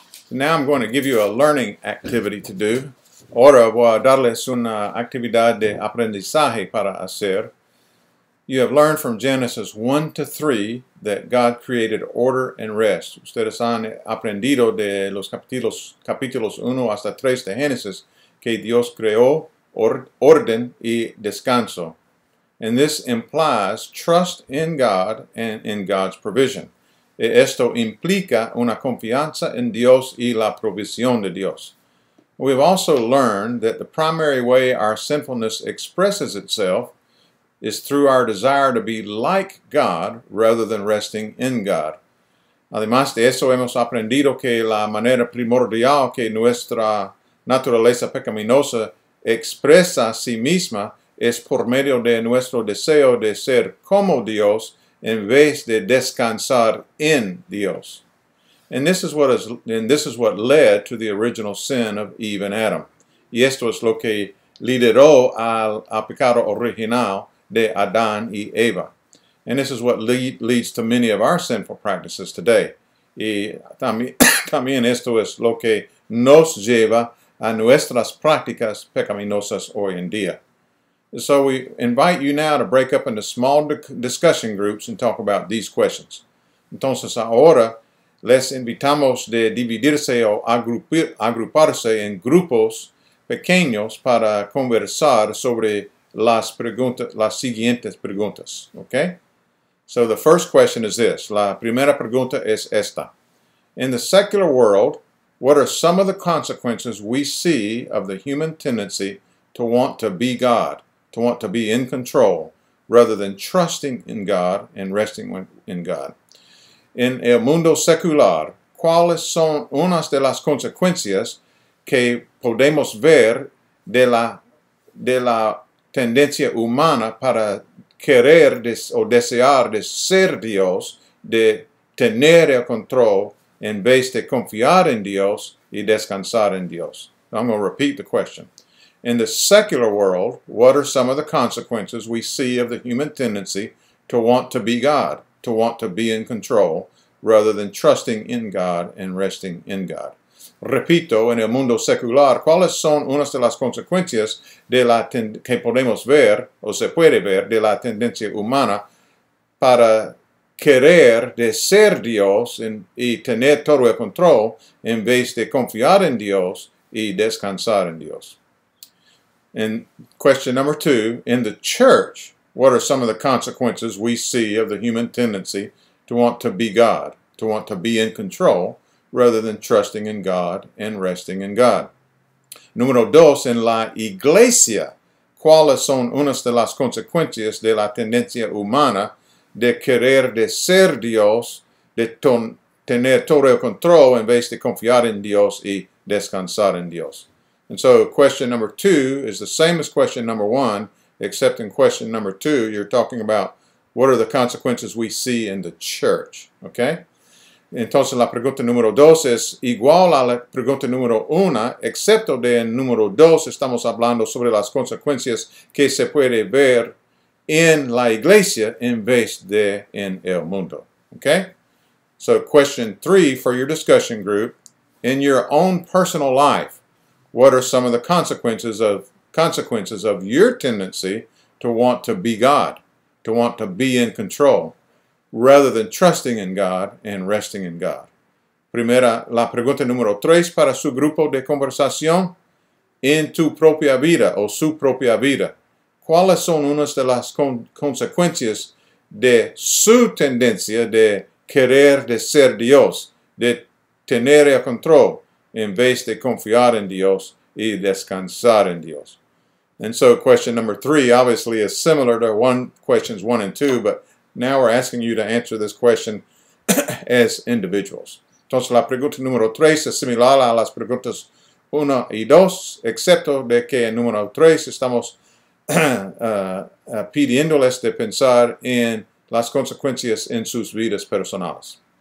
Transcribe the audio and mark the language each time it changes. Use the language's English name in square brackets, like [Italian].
[English] Now I'm going to give you a learning activity to do. [Spanish] Ahora voy a darles una actividad de aprendizaje para hacer. [English] You have learned from Genesis 1 to 3 that God created order and rest. [Spanish] Ustedes han aprendido de los capítulos 1 hasta 3 de Genesis que Dios creó orden y descanso. [English] And this implies trust in God and in God's provision. [Spanish] Esto implica una confianza en Dios y la provisión de Dios. [English] We've also learned that the primary way our sinfulness expresses itself is through our desire to be like God rather than resting in God. [Spanish] Además de eso, hemos aprendido que la manera primordial que nuestra naturaleza pecaminosa expresa a sí misma es por medio de nuestro deseo de ser como Dios en vez de descansar en Dios. [English] And this is what led to the original sin of Eve and Adam. [Spanish] Y esto es lo que lideró al pecado original de Adán y Eva. [English] And this is what leads to many of our sinful practices today. [Spanish] Y también esto es lo que nos lleva a nuestras prácticas pecaminosas hoy en día. [English] So we invite you now to break up into small discussion groups and talk about these questions. [Spanish] Entonces ahora les invitamos de dividirse o agruparse en grupos pequeños para conversar sobre las siguientes preguntas, okay? [English] So the first question is this. [Spanish] La primera pregunta es esta. [English] In the secular world, what are some of the consequences we see of the human tendency to want to be God, to want to be in control, rather than trusting in God and resting in God? [Spanish] En el mundo secular, ¿cuáles son unas de las consecuencias que podemos ver de la tendencia humana para querer desear de ser Dios, de tener el control en vez de confiar en Dios y descansar en Dios? [English] I'm going to repeat the question. In the secular world, what are some of the consequences we see of the human tendency to want to be God, to want to be in control, rather than trusting in God and resting in God? [Spanish] Repito, en el mundo secular, ¿cuáles son unas de las consecuencias que podemos ver, o se puede ver, de la tendencia humana para querer de ser Dios y tener todo el control en vez de confiar en Dios y descansar en Dios? [English] And question number two, in the church, what are some of the consequences we see of the human tendency to want to be God, to want to be in control, rather than trusting in God and resting in God? [Spanish] Número dos, en la iglesia, ¿cuáles son unas de las consecuencias de la tendencia humana de querer de ser Dios, de tener todo el control en vez de confiar en Dios y descansar en Dios? [English] And so question number two is the same as question number one, except in question number two, you're talking about what are the consequences we see in the church, okay? [Spanish] Entonces la pregunta número dos es igual a la pregunta número una, excepto de en número dos estamos hablando sobre las consecuencias que se puede ver en la iglesia en vez de en el mundo, okay? [English] So question three for your discussion group, in your own personal life, what are some of the consequences of your tendency to want to be God, to want to be in control, rather than trusting in God and resting in God? [Spanish] Primera, la pregunta número tres para su grupo de conversación. En tu propia vida o su propia vida, ¿cuáles son unas de las consecuencias de su tendencia de querer de ser Dios, de tener el control, en vez de confiar en Dios y descansar en Dios? [English] And so question number three obviously is similar to questions one and two, but now we're asking you to answer this question as individuals. [Spanish] Entonces la pregunta número tres es similar a las preguntas uno y dos, excepto de que en número tres estamos pidiéndoles de pensar en las consecuencias en sus vidas personales.